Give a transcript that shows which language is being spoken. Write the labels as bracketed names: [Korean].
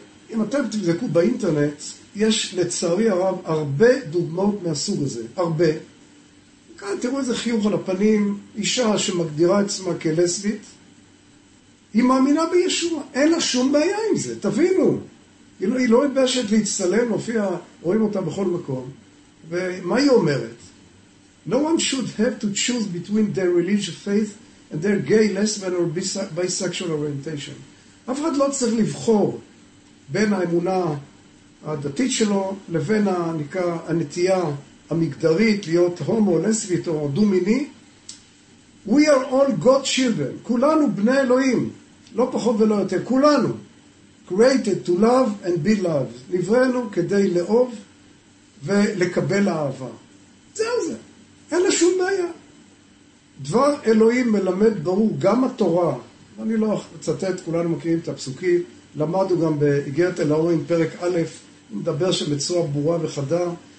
[Hebrew] אם אתם תבדקו באינטרנט, יש לצערי הרב הרבה דוגמאות מהסוג הזה. הרבה. כאן תראו איזה חיוך על הפנים, אישה שמגדירה עצמה כלסבית, היא מאמינה בישוע. אין לה שום בעיה עם זה, תבינו. היא לא מתביישת להצטלם, מופיע, רואים אותה בכל מקום. ומה היא אומרת? [English] No one should have to choose between their religious faith and their gay, lesbian or bisexual orientation. [Hebrew] אף אחד לא צריך לבחור בין האמונה הדתית שלו לבין הנטייה המגדרית להיות הומו, לסבית או דו-מיני. [English] We are all God children. [Hebrew] כולנו בני אלוהים. לא פחות ולא יותר. כולנו. [English] Created to love and be loved. [Hebrew] נבראנו כדי לאהוב ולקבל אהבה. זהו זה. אין לה שום בעיה. דבר אלוהים מלמד ברור גם התורה. אני לא אצטט, כולנו מכירים את הפסוקים. למדו גם באיגרת אל ההורים פרק א', מדבר שמצורה ברורה וחדה.